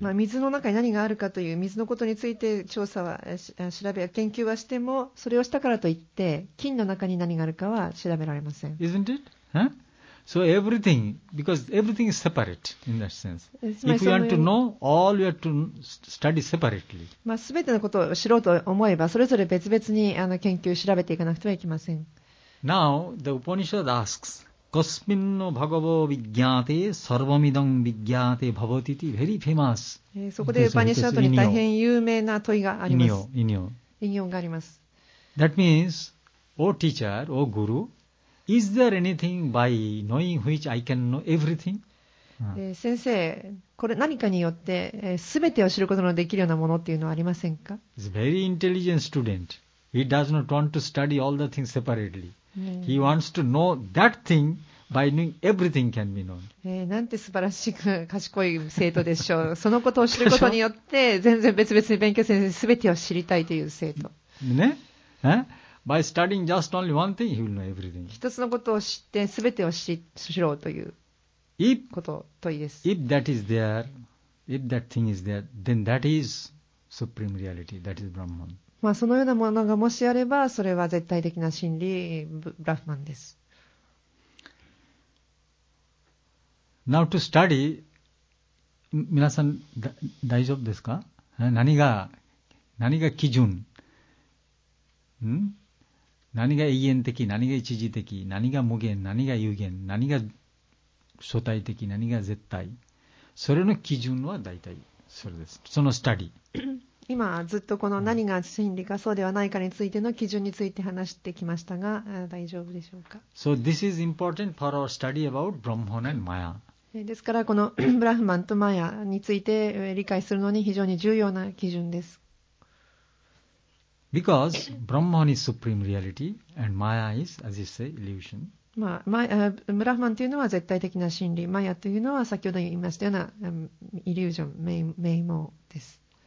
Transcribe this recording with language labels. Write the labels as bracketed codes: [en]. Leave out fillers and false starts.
[ja] まあ、水の中に何があるかという水のことについて調査は調べや研究はしても、それをしたからといって金の中に何があるかは調べられません。 [en] Isn't it? Huh? So everything, because everything is separate in that sense. If you want to know, all you have to study separately. [ja] まあ、すべてのことを知ろうと思えば、それぞれ別々に研究調べていかなくてはいけません。 [en] Now the Upanishad asks. [sa] Kasminno bhagavo vigyate sarvamidam vigyate bhavatiti [en] very famous. [ja] そこでウパニシャドに大変有名な問いがあります。引用。引用があります。 [en] That means, O teacher, O guru, is there anything by knowing which I can know everything? [ja] 先生、これ何かによって、全てを知ることのできるようなものっていうのはありませんか? [en] He's a very intelligent student. He does not want to study all the things separately. He wants to know that thing by knowing everything can be known. [ja] なんて素晴らしく賢い生徒でしょう。そのことを知ることによって、全然別々に勉強せずに全てを知りたいという生徒。 [en] ね、By studying just only one thing, he will know everything. [ja] 一つのことを知って全てを知ろうということ、問いです。 [en] If that is there, if that thing is there, then that is supreme reality. That is Brahman. [ja] まあ、そのようなものがもしあれば、それは絶対的な真理、ブラフマンです。 [en] Now to study, [ja] 皆さん大丈夫ですか? 何が基準? 何が永遠的、何が一時的、何が無限、何が有限、何が所帯的、何が絶対。それの基準は大体それです。その study。今ずっとこの何が真理かそうではないかについての基準について話してきましたが、大丈夫でしょうか。 [en] So this is important for our study about Brahman and Maya. [ja] ですからこのブラフマンとマヤについて理解するのに非常に重要な基準です。 [en] Because Brahman is supreme reality and Maya is, as you say, illusion. [ja] まあ、ブラフマンというのは絶対的な真理、マヤというのは先ほど言いましたようなイリュージョン、名目です。